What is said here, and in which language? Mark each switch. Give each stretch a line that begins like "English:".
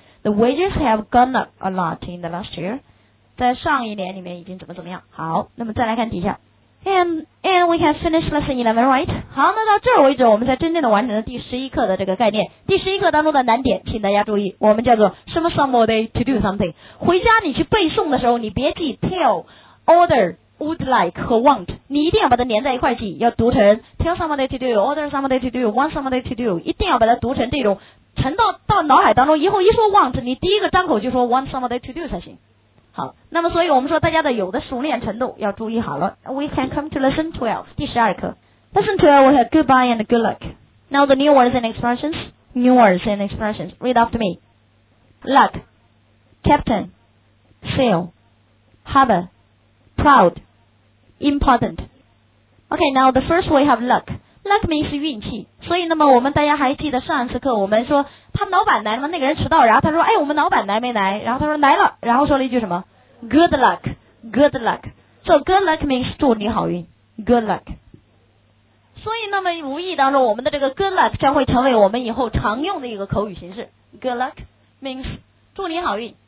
English: The wages have gone up a lot in the last year,
Chinese: 在上一年里面已经怎么怎么样。好，那么再来看底下，
English: And we can finish lesson 11, right?
Chinese: 好，那到这儿为止我们才真正的完成了第十一课的这个概念。第十一课当中的难点请大家注意，我们叫做什么 somebody to do something。回家你去背诵的时候你别记 tell, order, would like 和 want, 你一定要把它连在一块记，要读成
English: tell somebody to do, order somebody to do,
Chinese: want somebody to do, 一定要把它读成这种沉到脑海当中，以后一说 want 你第一个张口就说 want somebody to do 才行。好，那么所以我们说大家的有的熟练程度要注意好了。
English: We can come to lesson 12,
Chinese: 第十二课。
English: Lesson 12 we have goodbye and good luck. Now the new words and expressions, new words and expressions, read after me. Luck, captain, sail, harbor, proud, important. Okay, now the first we have luck.
Chinese: Luck means 运气，所以那么我们大家还记得上一次课我们说他们老板来吗？那个人迟到，然后他说哎，我们老板来没来，然后他说来了，然后说了一句什么 good luck, good luck, so good luck means 祝你好运 good luck。所以那么无意当中我们的这个 good luck 将会成为我们以后常用的一个口语形式， good luck means 祝你好运。